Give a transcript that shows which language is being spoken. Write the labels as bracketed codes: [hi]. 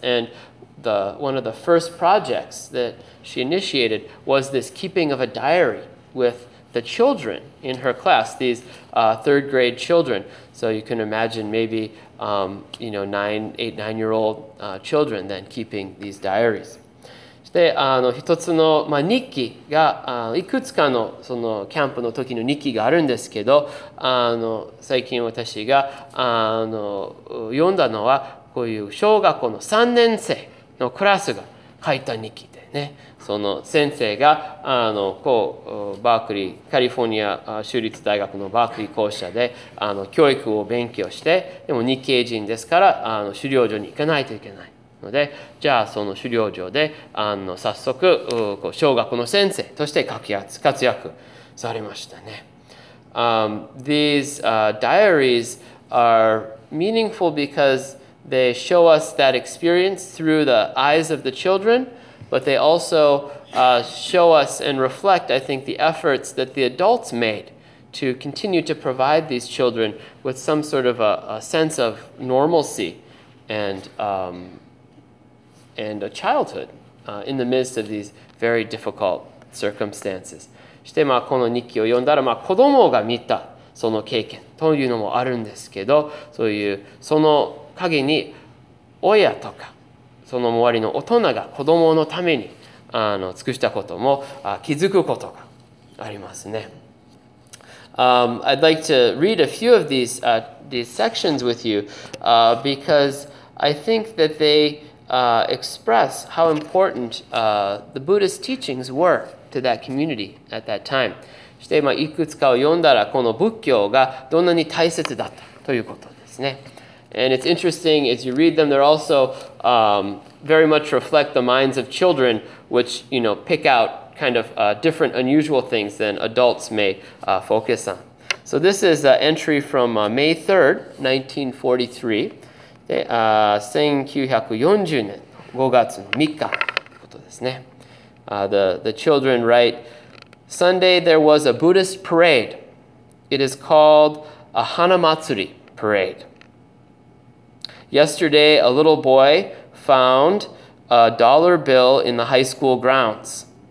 [en] And one of the first projects that she initiated was this keeping of a diary with the children in her class, these third grade children. So you can imagine maybe, nine-year-old children then keeping these diaries. [ja] そして一つの、まあ、日記が、いくつかのそのキャンプの時の日記があるんですけど、最近私が読んだのは、こういう小学校の3年生のクラスが書いた日記でね、その先生がこうバークリー、カリフォルニア州立大学のバークリー校舎で教育を勉強して、でも日系人ですから狩猟場に行かないといけないので、じゃあその狩猟場で早速小学の先生として活躍されましたね。 [en] These diaries are meaningful because they show us that experience through the eyes of the children, but they also show us and reflect, I think, the efforts that the adults made to continue to provide these children with some sort of a sense of normalcy and a childhood in the midst of these very difficult circumstances. [ja] して、まあ、この日記を読んだら、まあ、子供が見たその経験というのもあるんですけど、そういうその陰に親とかその周りの大人が子供のために尽くしたことも気づくことがありますね。 [en] I'd like to read a few of these sections with you because I think that they express how important the Buddhist teachings were. To that community at that time. [ja] そして、まあ、いくつかを読んだらこの仏教がどんなに大切だったということですね。 [en] And it's interesting as you read them, they're also very much reflect the minds of children, which you know pick out kind of different unusual things than adults may focus on. So this is an entry from May 3rd, 1943, [ja] 1940年5月3日ということですね。 [en] The children write, Sunday there was a Buddhist parade. It is called a Hanamatsuri parade. Yesterday, a little boy found a dollar bill in the high school grounds.